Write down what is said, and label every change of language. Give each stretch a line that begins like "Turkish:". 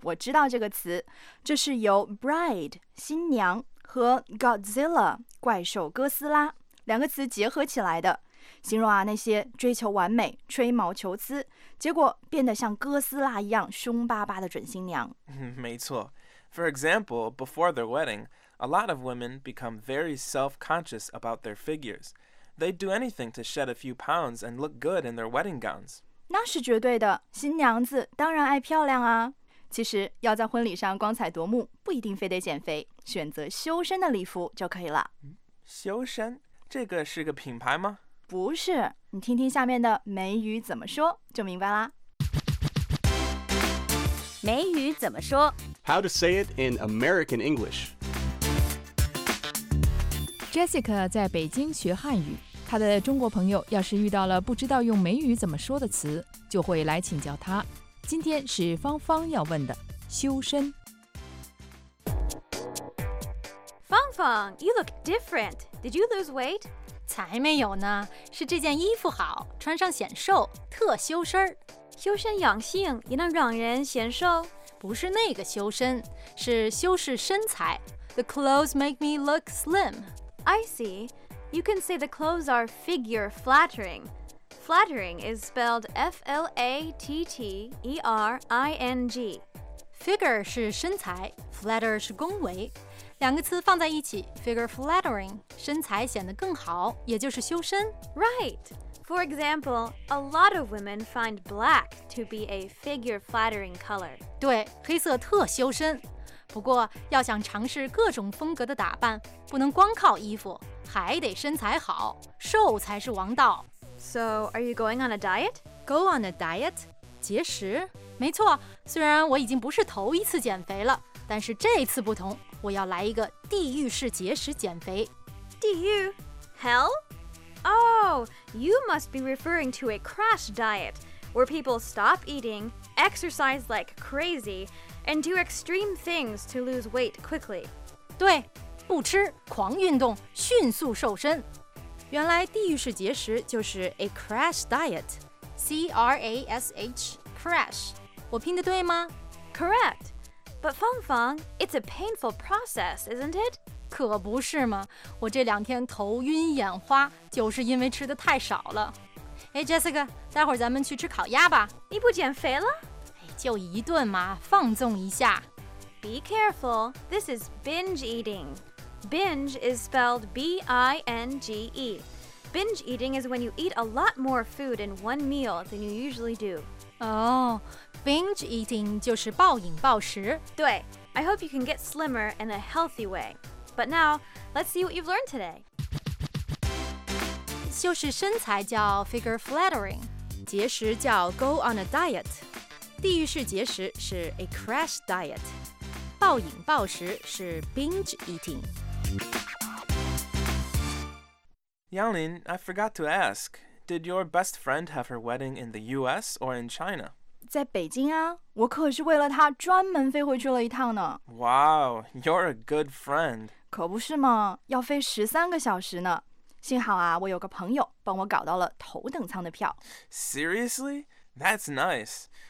Chinese: 我知道这个词，这是由 bride 新娘和 Godzilla 怪兽哥斯拉两个词结合起来的，形容啊那些追求完美、吹毛求疵，结果变得像哥斯拉一样凶巴巴的准新娘。没错。
English: For example, before their wedding, a lot of women become very self-conscious about their figures. They'd do anything to shed a few pounds and look good in their wedding gowns.
Chinese: 那是绝对的，新娘子当然爱漂亮啊。其实要在婚礼上光彩夺目，不一定非得减肥，选择修身的礼服就可以了。修身？这个是个品牌吗？不是，你听听下面的美语怎么说就明白啦。美语怎么说
English: ？How to say it in American English?
Chinese: Jessica 在北京学汉语，她的中国朋友要是遇到了不知道用美语怎么说的词，就会来请教她。今天是芳芳要问的，修身。
English: 芳芳 ，You look different. Did you lose weight?
Chinese: 才没有呢，是这件衣服好，穿上显瘦，特修身。修身养性也能让人显瘦？不是那个修身，是修饰身材。
English: The clothes make me look slim. I see. You can say the clothes are figure flattering. Flattering is spelled F-L-A-T-T-E-R-I-N-G.
Chinese: Figure 是身材 ，flatter 是恭维。两个词放在一起 ，figure flattering， 身材显得更好，也就是修身。
English: Right. For example, a lot of women find black to be a figure flattering color.
Chinese: 对，黑色特修身。不过要想尝试各种风格的打扮，不能光靠衣服，还得身材好，瘦才是王道。
English: So, are you going on a diet? Go on a diet? 节食？
Chinese: 没错，虽然我已经不是头一次减肥了，但是这次不同，我要来一个地狱式节食减肥。地狱？Hell?
English: Oh, you must be referring to a crash diet, where people stop eating, exercise like crazy, and do extreme things to lose weight quickly.
Chinese: 对，不吃，狂运动，迅速瘦身。原来地狱式节食就是 a crash diet, C-R-A-S-H, crash. 我拼得对吗？
English: Correct. But Feng Feng, it's a painful process, isn't it?
Chinese: 可不是吗？我这两天头晕眼花，就是因为吃得太少了。哎 ，Jessica， 待会儿咱们去吃烤鸭吧。你不减肥了？哎，就一顿嘛，放纵一下。
English: Be careful. This is binge eating. Binge is spelled B-I-N-G-E. Binge eating is when you eat a lot more food in one meal than you usually do.
Chinese: Oh. Binge eating 就是暴饮暴食。
English: 对 ，I hope you can get slimmer in a healthy way. But now, let's see what you've learned today.
Chinese: 修饰身材叫 figure flattering， 节食叫 go on a diet， 地狱式节食是 a crash diet， 暴饮暴食是 binge eating。
English: Yanglin, I forgot to ask, did your best friend have her wedding in the U.S. or in China?
Chinese: 在北京啊，我可是为了他专门飞回去了一趟呢。
English: Wow, you're a good friend.
Chinese: 可不是吗？要飞13个小时呢。幸好啊，我有个朋友帮我搞到了头等舱的票。
English: Seriously? That's nice.